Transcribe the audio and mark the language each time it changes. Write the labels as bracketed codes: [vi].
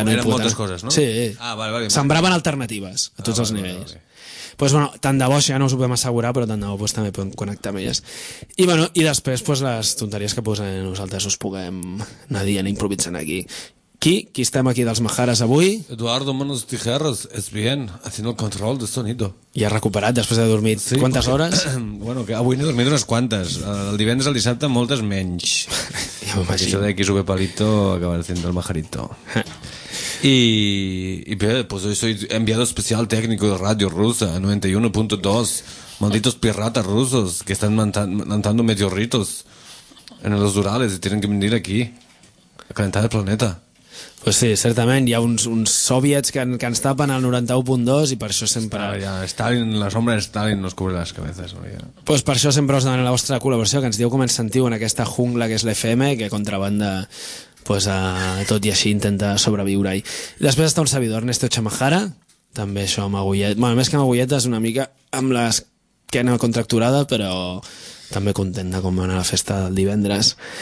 [ca] també. Eren moltes coses, no? Sí. Ah, vale. Sembraven alternatives a tots els nivells. Vale. Pues bueno, tant de bo, ja no us ho podem assegurar, però tant de bo pues, també podem connectar amb elles. I, bueno, i després pues, les tonteries que posem nosaltres us puguem anar dient improvisant aquí. Qui estem aquí dels Majares avui? [es] Eduardo Manos Tijeras, es bien, haciendo el control de sonido. [ca] I has recuperat després de dormir sí, quantes perquè, hores? Bueno, que avui n'he dormit unes quantes. El divendres, el dissabte, moltes menys. Ja m'ho imagino. [es] Això de XV Palito acaba haciendo el majarito. Y bien, pues hoy soy enviado especial técnico de Radio Rusa, 91.2. Malditos piratas rusos que están mandando meteoritos en los Urales y tienen que venir aquí a calentar el planeta. [ca] Pues sí, certament. Hi ha uns soviets que ens tapen al 91.2 i per això sempre... [es] Ja, Stalin, la sombra de Stalin nos cubre les cabezas. [ca] Ja. Pues per això sempre us demanem la vostra col·laboració, que ens dieu com ens sentiu en aquesta jungla que és l'FM, que contrabanda... Pues, tot i així intenta sobreviure-hi. Després està un servidor, Ernesto Chamajara, també això amb agulletes. Bueno, més que amb agulletes, una mica amb l'esquena contracturada, però també content de com va anar la festa del divendres.